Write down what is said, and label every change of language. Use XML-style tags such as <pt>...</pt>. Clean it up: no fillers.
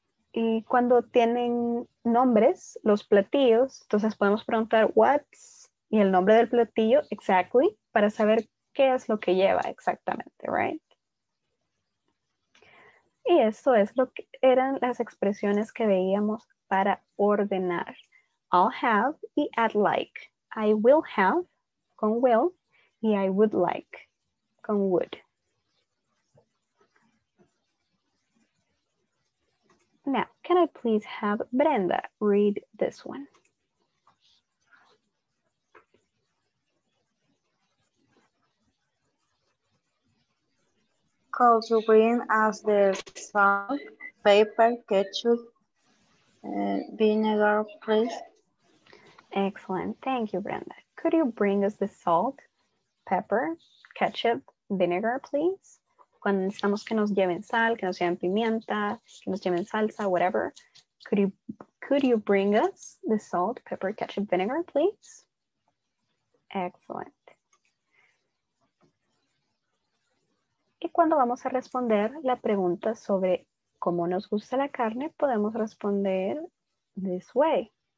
<es>Y cuando tienen nombres, los platillos, entonces podemos preguntar what's y el nombre del platillo exactly para saber qué es lo que lleva exactamente, right? Y esto es lo que eran las expresiones que veíamos para ordenar.</es> <en>I'll have y I'd like. I will have con will y I would like con would. Now, can I please have Brenda read this one? Could you bring us the salt, pepper, ketchup, vinegar, please? Excellent. Thank you, Brenda. Could you bring us the salt, pepper, ketchup, vinegar, please?</en> <es>Cuando necesitamos que nos lleven sal, que nos lleven pimienta, que nos lleven salsa, whatever.</es> <en>Could you bring us the salt, pepper, ketchup, vinegar, please? Excellent.</en> <es>Y cuando vamos a responder la pregunta sobre cómo nos gusta la carne, podemos responder</es> <en>this way.</en>